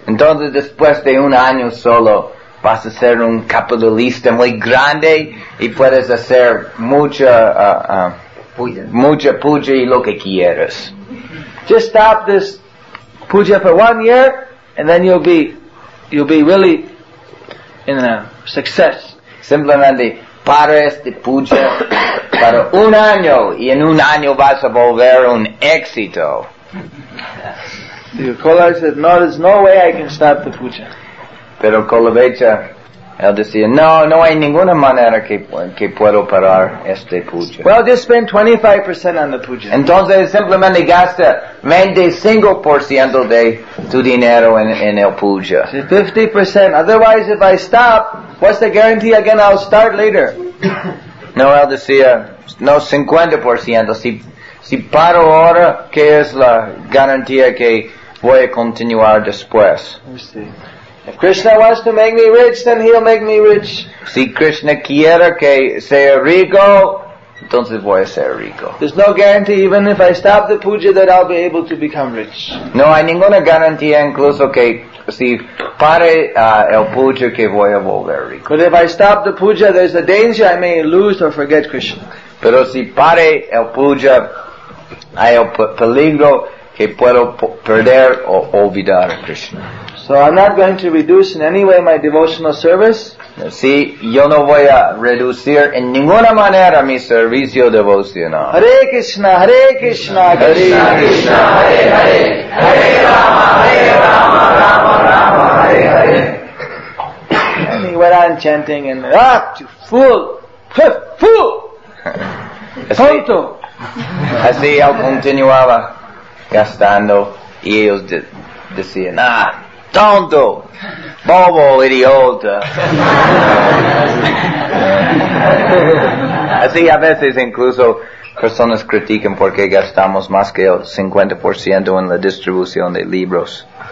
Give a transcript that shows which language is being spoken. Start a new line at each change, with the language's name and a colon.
Spanish: Entonces después de un año solo, vas a ser un capitalista muy grande y puedes hacer mucha puja y lo que quieras.
English: Just stop this puja for 1 year and then you'll be really in a success.
Spanish: Simplemente para este puja para un año y en un año vas a volver un éxito.
English: Yes. So Kolar said, no, there's no way I can stop the puja.
Spanish: Pero Kolavecha, él decía, no hay ninguna manera que puedo parar este puja.
English: Well, just spend 25% on the puja.
Spanish: Entonces simplemente gasta 25% de tu dinero en el puja.
English: 50%. Otherwise, if I stop, what's the guarantee again I'll start later?
Spanish: No, él decía, no, 50%. Si paro ahora, ¿qué es la garantía que voy a continuar después?
English: Let's see. If Krishna wants to make me rich, then he'll make me rich.
Spanish: Si Krishna quiere que sea rico, entonces voy a ser rico.
English: There's no guarantee, even if I stop the puja, that I'll be able to become rich.
Spanish: No hay ninguna garantía, incluso que si pare el puja, que voy a volver rico.
English: But if I stop the puja, there's a danger I may lose or forget Krishna.
Spanish: Pero si pare el puja, hay el peligro que puedo perder o olvidar a Krishna.
English: So I'm not going to reduce in any way my devotional service.
Spanish: Si yo no voy a reducir en ninguna manera mi servicio devocional.
Sanskrit: Hare Krishna, Hare Krishna, Krishna Krishna, Hare Hare, Hare Rama, Hare Rama, Rama Rama, Hare Hare.
English: And he went on chanting and, ah, you fool, fool.
Spanish: Así él continuaba gastando y ellos decían, ah, tonto, bobo, idiota. Así a veces incluso personas critican porque gastamos más que el 50% en la distribución de libros.